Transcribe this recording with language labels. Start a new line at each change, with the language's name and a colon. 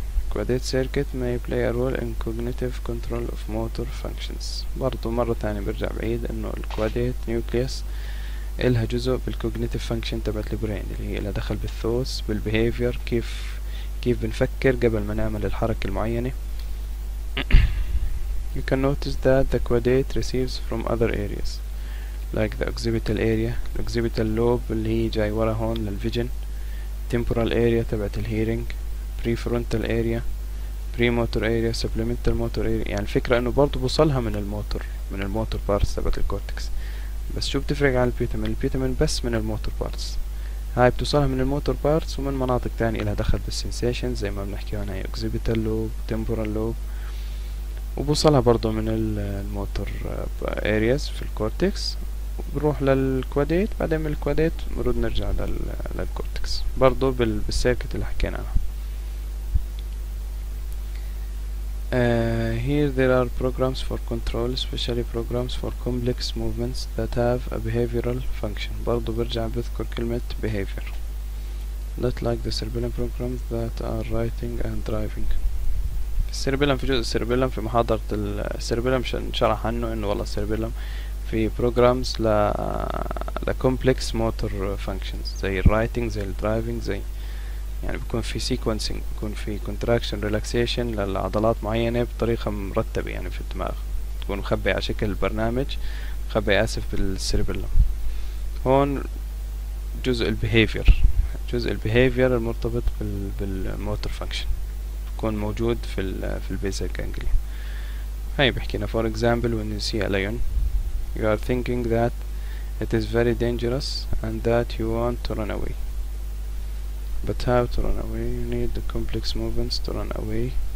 English: quadrate circuit may play a role in cognitive control of motor functions.
Arabic: برضو مرة ثانية برجع بعيد انه الكواديت نيوكليس إلها جزء بالكوجنيتيف فانكشن تبعت البرين، اللي هي إلها دخل بالثوتس بالبيهيفير، كيف بنفكر قبل ما نعمل الحركة المعينة.
English: You can notice that the quadrate receives from other areas like the occipital area.
Arabic: occipital lobe اللي هي جاي ورا هون للفيجن.
English: temporal area تبعت الهيرينج. prefrontal area. premotor area. supplemental motor area.
Arabic: يعني الفكرة انه برضو بوصلها من الموتور، من الموتور بارتس تبعت الكورتكس. بس شو بتفرق عن البيتامين؟ البيتامين بس من الموتور بارتس، هاي بتوصلها من الموتور بارتس ومن مناطق تانية لها دخل بالسنسيشن زي ما بنحكي هون، هاي occipital lobe. temporal lobe وبوصلها برضو من الموتور areas في الكورتكس، بروح للكواديت، بعدين من الكواديت بنرد نرجع للكورتكس برضو بالسيركت اللي حكينا عنها.
English: here there are programs for control, especially programs for complex movements that have a behavioral function.
Arabic: برضو برجع بذكر كلمة behavior.
English: not like the cerebellum programs that are writing and driving.
Arabic: السيربيلم في جزء السيربيلم في محاضرة السيربيلم شرح عنه انه والله السيربيلم في programs ل
English: complex motor functions
Arabic: زي الرايتنج زي الدرايفنج، زي يعني بيكون في sequencing، بيكون في contraction relaxation للعضلات معينة بطريقة مرتبة، يعني في الدماغ تكون مخبي على شكل برنامج مخبي اسف بالسيربيلم. هون جزء البيهيفير، جزء البيهيفير المرتبط بالموتور فانكشن يكون موجود في البيزل جانجليا. هاي بحكينا
English: for example when you see a lion you are thinking that it is very dangerous and that you want to run away. but how to run away? you need the complex movements to run away.